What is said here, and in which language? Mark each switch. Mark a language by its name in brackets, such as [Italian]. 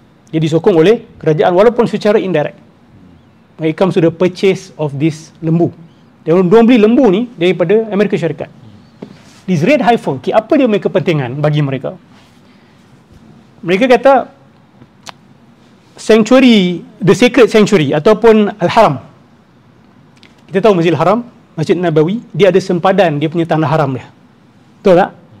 [Malay] Dia disokong oleh kerajaan walaupun secara indirect. [English] When it comes to the purchase of this lembu. [Malay] Dia orang beli lembu ni daripada Amerika Syarikat. [English] This Red Haifa, okay, [Malay] apa dia punya kepentingan bagi mereka? Mereka kata sanctuary, [English] the sacred sanctuary [Malay] ataupun Al-Haram. Kita tahu Masjid Al-Haram, Masjid Nabawi, dia ada sempadan dia punya tanah haram dia. Betul tak?